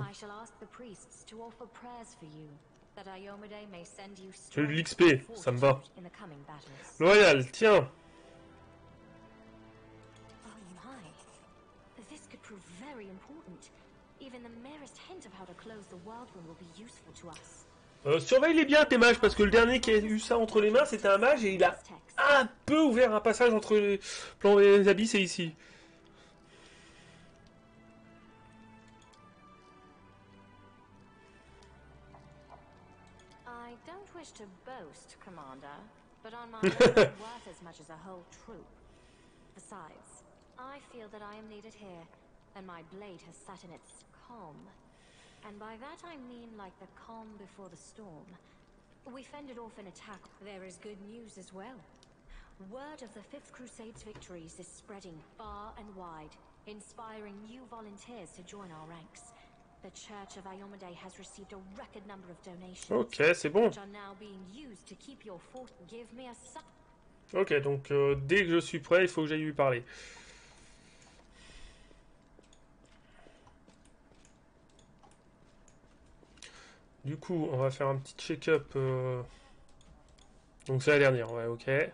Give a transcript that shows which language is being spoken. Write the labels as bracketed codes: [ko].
[en] I shall ask the priests to offer prayers for you, that Iomide may send you [fr] strength. J'ai eu l'XP, ça me va. Loyal, tiens. [en] Oh my, this could prove very important. Even the merest hint of how to close the world room will be useful to us. [fr] Surveille-les bien tes mages, parce que le dernier qui a eu ça entre les mains, c'était un mage et il a un peu ouvert un passage entre les plans et les abysses et ici. [en] I don't wish to boast, Commander, but on my own worth as much as a whole troop. Besides, I feel that I am needed here, and my blade has sat in its calm. And by that I mean like the calm before the storm. We fended off an attack. There is good news as well. Word of the Fifth Crusade's victories is spreading far and wide, inspiring new volunteers to join our ranks. The Church of Iomide has received a record number of donations. [fr] Okay, c'est bon. [en] Which are now being used to keep your fort. Give me a sup. [fr] Okay, donc dès que je suis prêt, il faut que j'aille lui parler. Du coup, on va faire un petit check-up. Donc c'est la dernière, ouais, ok.